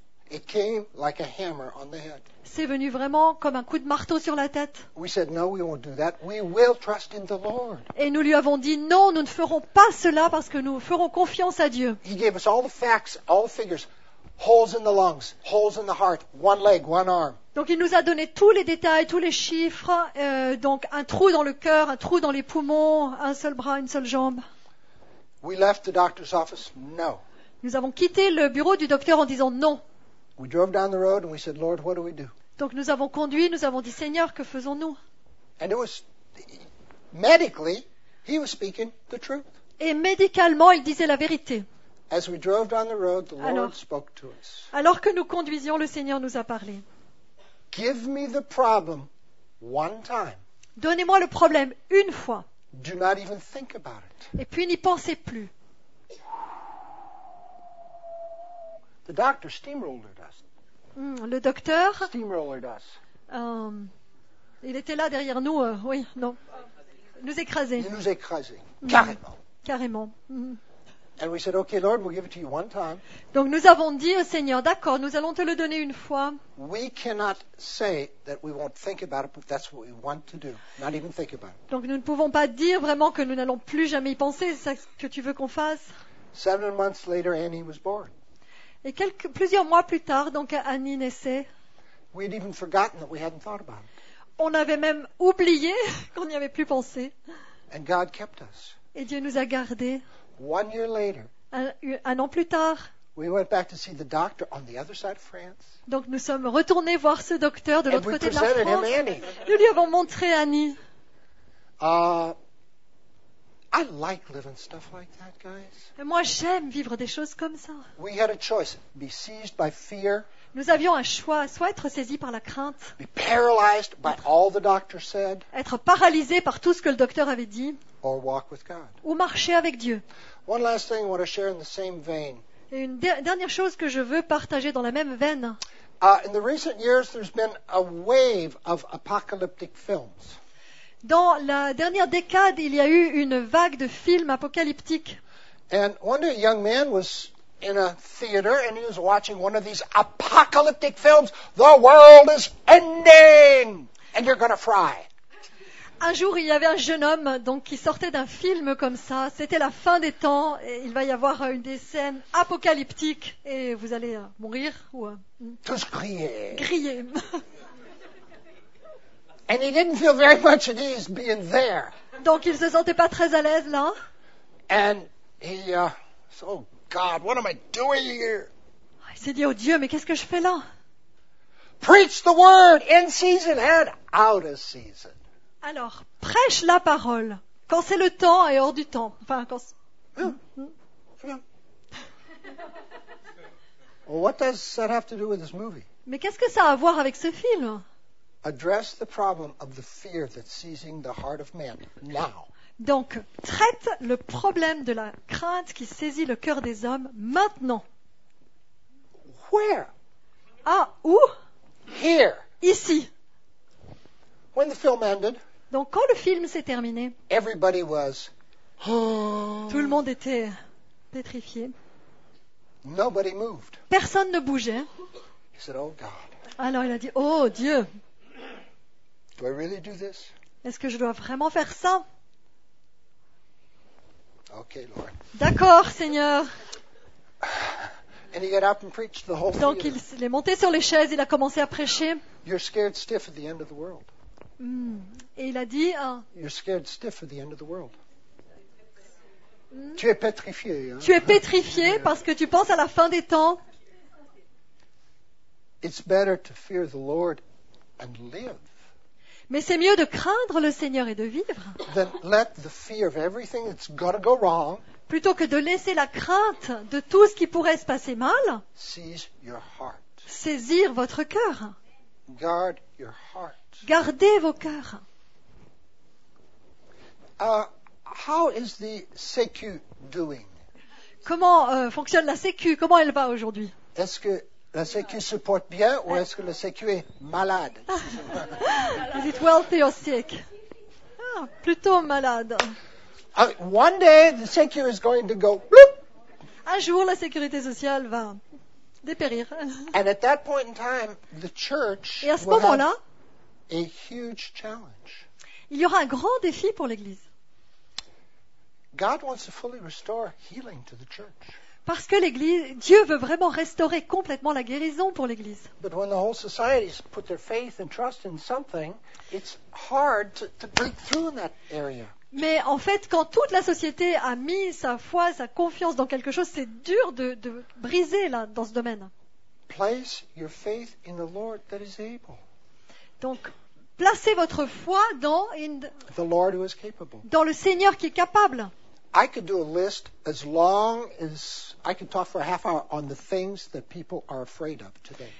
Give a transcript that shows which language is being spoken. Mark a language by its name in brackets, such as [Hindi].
[English] It came like a hammer on the head. [French] C'est venu vraiment comme un coup de marteau sur la tête. [English] We said no, we won't do that. We will trust in the Lord. [French] Et nous lui avons dit non, nous ne ferons pas cela parce que nous ferons confiance à Dieu. [English] He gave us all the facts, all the figures, holes in the lungs, holes in the heart, one leg, one arm. [French] Donc il nous a donné tous les détails, tous les chiffres, donc un trou dans le cœur, un trou dans les poumons, un seul bras, une seule jambe. [English] We left the doctor's office. No. [French] Nous avons quitté le bureau du docteur en disant non. [English] We drove down the road and we said, Lord, what do we do? [French] Donc nous avons conduit, nous avons dit, Seigneur, que faisons-nous? [English] And it was medically, he was speaking the truth. [French] Et médicalement, il disait la vérité. [English] As we drove down the road, the Lord spoke to us. [French] Alors que nous conduisions, le Seigneur nous a parlé. [English] Give me the problem one time. [French] Donnez-moi le problème une fois. [English] Do not even think about it. [French] Et puis n'y pensez plus. [English] The doctor steamrolled us. [French] Le docteur. [English] Steamrolled us. [French] Il était là derrière nous, oui, non. Nous écraser. Il nous écraser. Carrément. Carrément. [English] And we said, okay, Lord, we'll give it to you one time. [French] Donc nous avons dit au Seigneur, d'accord, nous allons te le donner une fois. [English] We cannot say that we won't think about it, but that's what we want to do. Not even think about it. [French] Donc nous ne pouvons pas dire vraiment que nous n'allons plus jamais y penser. C'est ce que tu veux qu'on fasse. [English] 7 months later, Annie was born. [French] Et plusieurs mois plus tard, donc Annie naissait. [English] We had even forgotten that we hadn't thought about it. [French] On avait même oublié qu'on n'y avait plus pensé. [English] And God kept us. [French] Et Dieu nous a gardés. [English] One year later, [French] un an plus tard, [English] we went back to see the doctor on the other side of France. [French] Donc nous sommes retournés voir ce docteur de l'autre côté de la France. [English] And we presented him Annie. [French] Nous lui avons montré Annie. [English] I like living stuff like that, guys. [French] Et moi j'aime vivre des choses comme ça. [English] We had a choice: be seized by fear. [French] Nous avions un choix, soit être saisi par la crainte. [English] Be paralyzed by all the doctor said. [French] Être paralysé par tout ce que le docteur avait dit. [English] Or walk with God. [French] Ou marcher avec Dieu. [English] One last thing I want to share in the same vein. [French] Et une dernière chose que je veux partager dans la même veine. [English] In the recent years, there's been a wave of apocalyptic films. [French] Dans la dernière décade, il y a eu une vague de films apocalyptiques. [English] And one day, a young man was in a theater and he was watching one of these apocalyptic films. The world is ending and you're going to fry. [French] Un jour, il y avait un jeune homme donc, qui sortait d'un film comme ça. C'était la fin des temps. Et il va y avoir une des scènes apocalyptiques et vous allez mourir. Ou, tous crier. Crier. [English] And he didn't feel very much at ease being there. [French] Donc, il ne se sentait pas très à l'aise là. [English] And he said, oh God, what am I doing here? [French] Il s'est dit, oh Dieu, mais qu'est-ce que je fais là? [English] Preach the word in season and out of season. [French] Alors, prêche la parole quand c'est le temps et hors du temps. Enfin, quand. [English] Well, what does that have to do with this movie? [French] Mais qu'est-ce que ça a à voir avec ce film? [English] Address the problem of the fear that's seizing the heart of man now. [French] Donc, traite le problème de la crainte qui saisit le cœur des hommes maintenant. [English] Where? [French] Ah, où? [English] Here. [French] Ici. [English] When the film ended. [French] Donc quand le film s'est terminé, [English] everybody was, [French] tout le monde était pétrifié. [English] Nobody moved. [French] Personne ne bougeait. [English] He said, oh God. [French] Alors il a dit, oh Dieu, [English] do I really do this? [French] Est-ce que je dois vraiment faire ça? [English] Okay, Lord. [French] D'accord, Seigneur. [English] And he got up and preached the whole [French] Donc theater. Il est monté sur les chaises, il a commencé à prêcher. [English] You're scared stiff at the end of the world. [French] Et il a dit [English] You're scared stiff at the end of the world. [French] Tu es pétrifié. Hein? Tu es pétrifié parce que tu penses à la fin des temps. [English] It's better to fear the Lord and live. [French] Mais c'est mieux de craindre le Seigneur et de vivre. [English] Than let the fear of everything that's got to go wrong. [French] Plutôt que de laisser la crainte de tout ce qui pourrait se passer mal. [English] Seize your heart. [French] Saisir votre cœur. [English] Guard your heart. [French] Gardez vos cœurs. [English] How is the sécu doing? [French] Comment fonctionne la sécu? Comment elle va aujourd'hui? Est-ce que la sécu se porte bien ou est-ce que la sécu est malade? [English] Is it wealthy or sick? [French] Ah, plutôt malade. [English] One day the sécu is going to go bloop. [French] Un jour la sécurité sociale va dépérir. [English] And at that point in time, the church. [French] Et à ce moment-là. [English] A huge challenge. [French] Il y aura un grand défi pour l'Église. [English] God wants to fully restore healing to the church. [French] Parce que l'Église, Dieu veut vraiment restaurer complètement la guérison pour l'Église. [English] But when the whole society has put their faith and trust in something, it's hard to break through in that area. [French] Mais en fait, quand toute la société a mis sa foi, sa confiance dans quelque chose, c'est dur de briser là dans ce domaine. [English] Place your faith in the Lord that is able. [French] Donc, placez votre foi dans, [English] the Lord who is capable. [French] Dans le Seigneur qui est capable. [English] I could do a list as long as I could talk for a half hour on the things that people are afraid of today.